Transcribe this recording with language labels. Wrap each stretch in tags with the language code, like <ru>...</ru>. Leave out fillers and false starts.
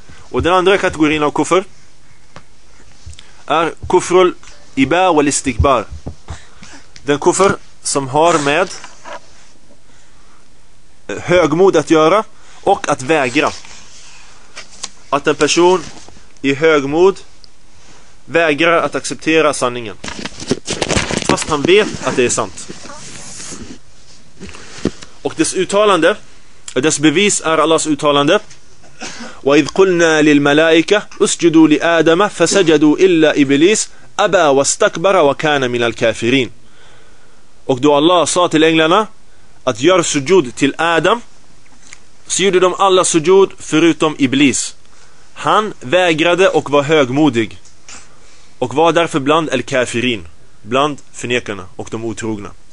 <sv>Och den andra kategorin av kuffer är kuffrul iba wal istikbar, den kuffer som har med högmod att göra och att vägra. Att en person i högmod vägrar att acceptera sanningen fast han vet att det är sant. Och dess uttalande, dess bevis är Allahs uttalande:</sv> <ar>وَإِذْ قُلْنَا لِلْمَلَائِكَةِ اسْجُدُوا لِآدَمَ فَسَجَدُوا إِلَّا إِبْلِيسَ أَبَى وَاسْتَكْبَرَ وَكَانَ مِنَ الْكَافِرِينَ.</ar> <sv>Och då Allah sa till änglarna att gör sujud till Adam, så gjorde de alla sujud förutom Iblis. Han vägrade och var högmodig och var därför bland al-kafirin, bland förnekarna och de otrogna.</sv>